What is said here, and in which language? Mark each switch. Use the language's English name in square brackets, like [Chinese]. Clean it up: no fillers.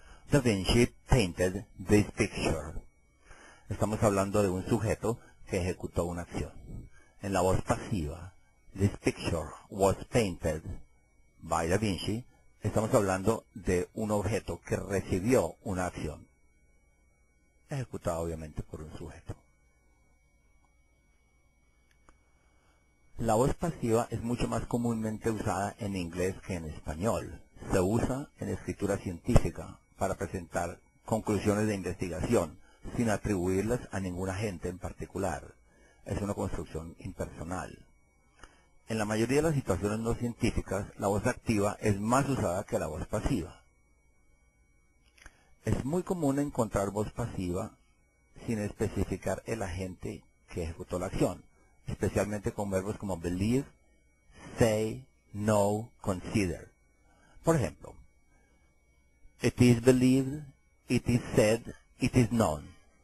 [English] Da Vinci painted this picture. [Spanish] Estamos hablando de un sujeto que ejecutó una acción. En la voz pasiva, [English] this picture was painted by Da Vinci, [Spanish] estamos hablando de un objeto que recibió una acción, ejecutada obviamente por un sujeto. La voz pasiva es mucho más comúnmente usada en inglés que en español. Se usa en escritura científica para presentar conclusiones de investigación, sin atribuirlas a ningún agente en particular. Es una construcción impersonal. En la mayoría de las situaciones no científicas, la voz activa es más usada que la voz pasiva. Es muy común encontrar voz pasiva sin especificar el agente que ejecutó la acción, especialmente con verbos como believe, say, know, consider. Por ejemplo, [English] it is believed, it is said, it is known.